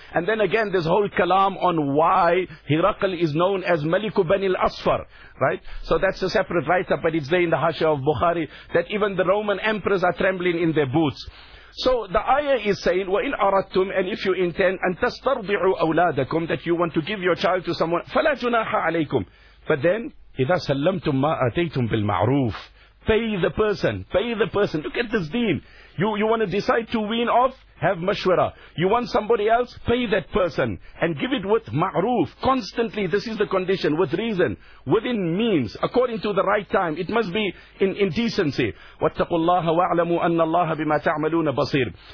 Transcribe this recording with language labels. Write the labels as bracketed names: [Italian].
[English] And then again, this whole kalam on why Hiraqal is known as مَلِكُ بَنِ الْأَصْفَرِ. Right? So that's a separate write-up, but it's there in the Hasha of Bukhari, that even the Roman emperors are trembling in their boots. So the ayah is saying, [Arabic] وَإِنْ أَرَدْتُمْ, [English] and if you intend, [Arabic] أَنْ تَسْتَرْضِعُوا أَوْلَادَكُمْ, [English] that you want to give your child to someone, [Arabic] فَلَا جُنَاحَ عَلَيْكُمْ. [English] But then, [Arabic] إِذَا سَلَّمْتُمْ مَا أَتَيْتُمْ بِالْمَعْرُوفِ. [English] Pay the person. Look at this deen. You want to decide to wean off? Have mashwara. You want somebody else? Pay that person. And give it with ma'roof. Constantly, this is the condition, with reason, within means, according to the right time. It must be in decency. [Arabic] وَاتَّقُوا اللَّهَ وَاعْلَمُوا أَنَّ اللَّهَ بِمَا تَعْمَلُونَ بَصِيرٌ.